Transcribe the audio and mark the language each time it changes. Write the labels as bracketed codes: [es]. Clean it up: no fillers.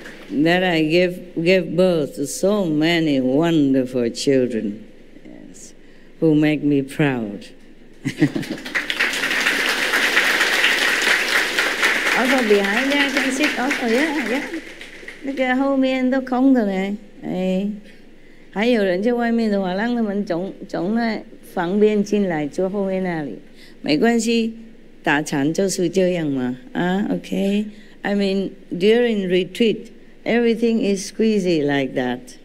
[en] That I give birth to so many wonderful children, yes, who make me proud. Also behind there, I can sit also, yeah, yeah. Look at [zh] 后面都空的嘞, 哎。还有人在外面的话，让他们从那房边进来，坐后面那里，没关系，打禅就是这样嘛。 [en] Okay, I mean during retreat, everything is squeezy like that.